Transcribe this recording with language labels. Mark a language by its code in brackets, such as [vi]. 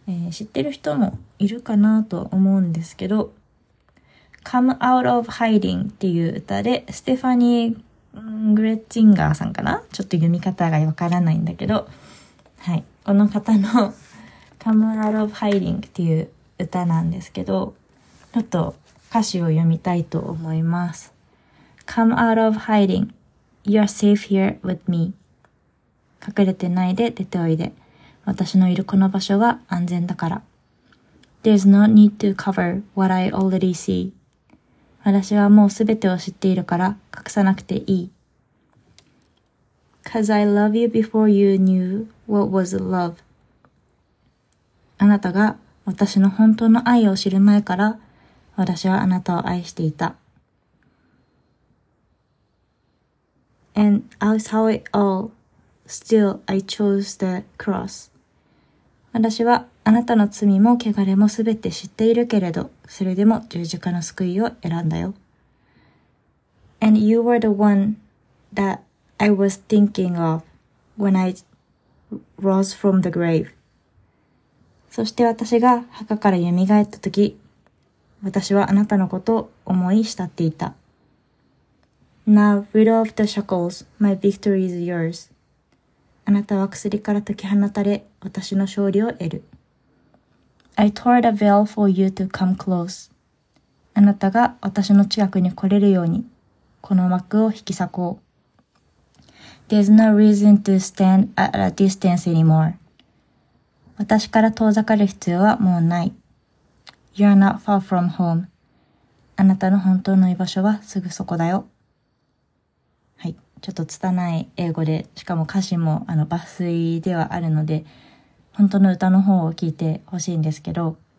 [ja] 知ってる人もいるかなと思うんですけど、 Come Out of Hiding っていう歌で、ステファニー・グレッツィンガーさんかな、ちょっと読み方がわからないんだけど、はい、この方の Come Out of Hiding っていう歌なんですけど、ちょっと歌詞を読みたいと思います。 [en] Come out of hiding, you're safe here with me. [ja] 隠れてないで、出ておいで、私のいるこの場所は安全だから。 [en] There's no need to cover what I already see. [ja] 私はもうすべてを知っているから隠さなくていい。 [en] Cause I love you before you knew what was love. [ja] あなたが私の本当の愛を知る前から私はあなたを愛していた。 [en] And outside it all, still I chose the cross. [ja] 私はあなたの罪も汚れもすべて知っているけれど、それでも十字架の救いを選んだよ。 [en] And you were the one that I was thinking of when I rose from the grave. [ja] そして私が墓から蘇った時、私はあなたのことを思い慕っていた。 [en] Now, rid of the shackles, my victory is yours. [ja] あなたは鎖から解き放たれ、私の勝利を得る。 [en] I tore the veil for you to come close. [ja] あなたが私の近くに来れるように、この幕を引き裂こう。 [en] There's no reason to stand at a distance anymore. [ja] 私から遠ざかる必要はもうない。 [en] You're not far from home. [ja] あなたの本当の居場所はすぐそこだよ。はい。ちょっと拙い英語で、しかも歌詞も抜粋ではあるので、本当の歌の方を聞いてほしいんですけど、